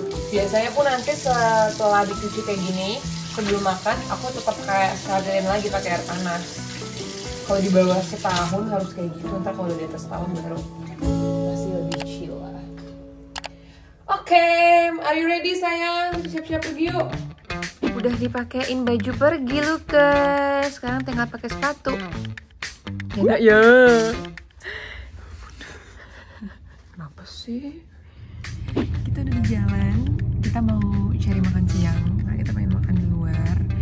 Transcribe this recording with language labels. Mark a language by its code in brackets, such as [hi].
[id] Biasanya pun nanti setelah dicuci kayak gini sebelum makan aku tetap kayak sadarin lagi pakai air panas. Kalau di bawah setahun harus kayak gitu, ntar kalau di atas setahun baru masih lebih chill lah. [en] Okay, are you ready [id] sayang? Siap-siap pergi yuk. Udah dipakein baju pergi Lukas. Sekarang tinggal pakai sepatu. Enak ya. Kenapa sih? Kita udah di jalan. Kita mau cari makan siang. Nah, kita pengen makan di luar.